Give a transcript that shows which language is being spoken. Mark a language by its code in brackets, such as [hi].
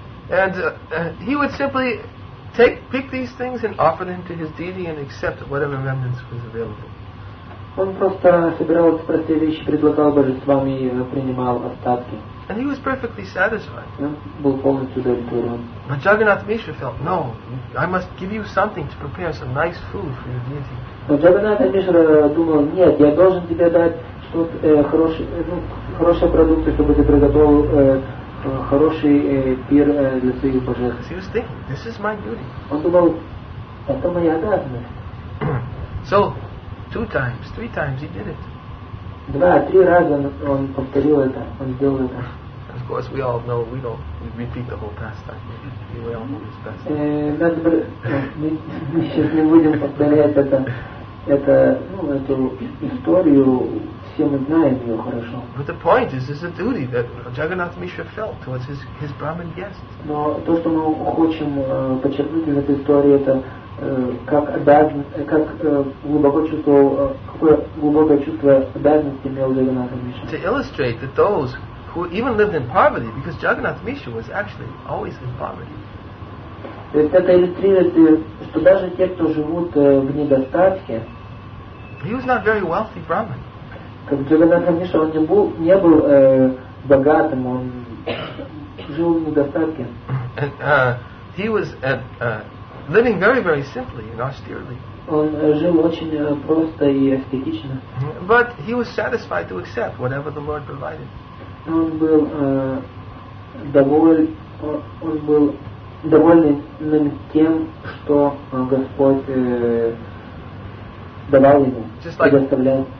[en] And he would simply pick these things and offer them to his deity and accept whatever remnants was available. [ru] Он просто собирал эти простые вещи, предлагал божествам и принимал остатки. [en] And he was perfectly satisfied. [ru] Был полностью удовлетворен. [en] But Jagannath Mishra felt, no, I must give you something to prepare some nice food for your deity. [ru] Но Jagannath Mishra думал, нет, я должен тебе дать что-то хорошие продукты, чтобы ты приготовил хороший пир для своих божеств. [en] He was thinking, this is my duty. [ru] Он думал, это моя обязанность. [en] So, two times, three times he did it. [ru] Два, три раза он повторил это, он сделал это. [en] Of course, we all know we don't we repeat the whole pastime. We all know it's best. [ru] Мы сейчас не будем повторять эту историю. Все мы знаем ее хорошо. [en] But the point is, this is a duty that Jagannath Mishra felt towards his Brahmin guests. [ru] Но то, что мы хотим подчеркнуть из этой истории, это как обязан, как глубоко чувствовал, какое глубокое чувство обязанности имел Джаганнатх Мишра. [en] To illustrate that those who even lived in poverty, because Jagannath Mishra was actually always in poverty. [ru] Это иллюстрирует, что даже те, кто живут в недостатке, [en] he was not very wealthy Brahmin. [ru] Как Джаганнатх Мишра, он не был богатым, он жил в недостатке. [en] And, he was at living very, very simply and austerely. [ru] Он жил очень просто и аскетично. [en] But he was satisfied to accept whatever the Lord provided. [ru] Он был доволен тем, что Господь давал ему, предоставлял.